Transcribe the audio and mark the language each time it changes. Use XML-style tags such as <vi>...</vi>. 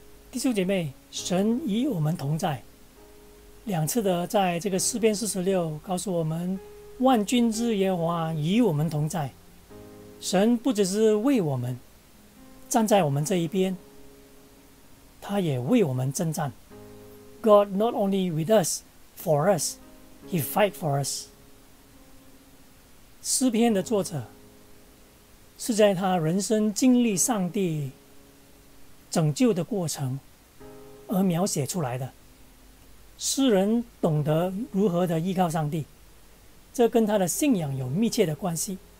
<zh>弟兄姐妹，神与我们同在，两次的在这个诗篇46告诉我们，万军之耶和华与我们同在。神不只是为我们站在我们这一边，他也为我们征战。</zh> <en>God not only with us, for us, He fight for us.</en> <zh>诗篇的作者是在他人生经历上帝拯救的过程而描写出来的。诗人懂得如何的依靠上帝，这跟他的信仰有密切的关系。</zh>